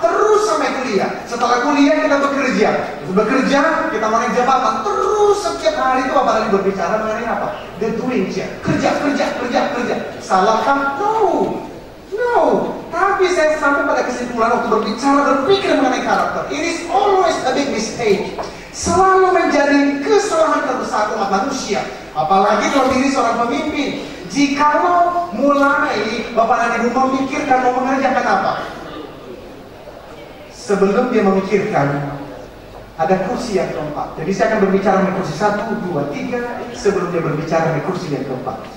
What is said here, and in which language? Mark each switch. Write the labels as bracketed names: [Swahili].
[Indonesian] Terus sampai kuliah. Setelah kuliah, kita bekerja. Bekerja, kita naik jabatan. Terus setiap hari itu, Bapak Ibu berbicara mengenai apa? [English] The doing chair. Kerja. Salahkah? No. [Indonesian] Tapi saya sampai pada kesimpulan waktu berbicara, berpikir mengenai karakter. [English] It is always a big mistake. [Indonesian] Selalu menjadi kesalahan terbesar umat manusia. Apalagi kalau diri seorang pemimpin. Jika lo mulai, Bapak dan Ibu memikirkan, mau mengerjakan apa? Sebelum dia memikirkan, ada kursi yang keempat. Jadi saya akan berbicara di kursi 1, 2, 3, sebelum dia berbicara di kursi yang keempat.